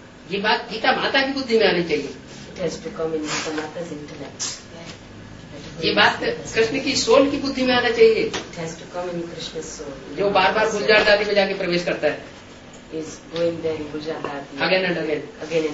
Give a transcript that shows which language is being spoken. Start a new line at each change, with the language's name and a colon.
Hindi: ये बात गीता माता की बुद्धि में आनी चाहिए.
English: It has to come in Gita Mata's intellect.
Hindi: ये बात कृष्ण की सोल की बुद्धि में आना चाहिए.
English: It has to come in Krishna's soul.
Hindi: जो बार बार गुलजार दादी में जाके प्रवेश करता है.
English: Is going there in Gujarat